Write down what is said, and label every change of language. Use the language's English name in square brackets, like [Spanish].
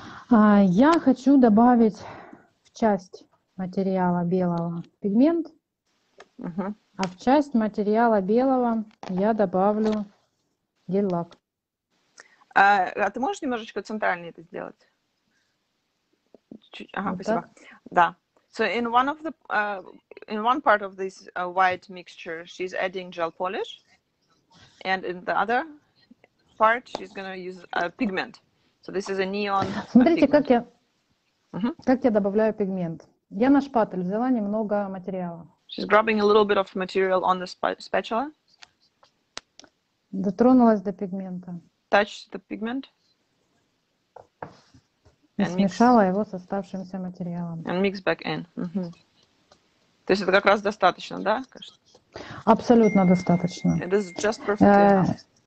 [Russian] Я хочу добавить в часть материала белого пигмент, а в часть материала белого я добавлю гель-лак. А ты можешь немножечко центральнее это сделать? Чуть-чуть. Ага, вот спасибо. Так. Да. [English] So in one of the in one part of this white mixture, she's adding gel polish, and in the other part, she's gonna use a pigment. So this is a neon. [Russian] Смотрите, как я добавляю пигмент. Я на шпатель взяла немного материала. [English] She's grabbing a little bit of material on the spatula. [Russian] Дотронулась до пигмента. [English] Touch the pigment. [Russian] И смешала его с оставшимся материалом. [English] And mix back in. Mm-hmm. [Russian] То есть это как раз достаточно, да? Абсолютно достаточно. [English] It is just perfectly enough.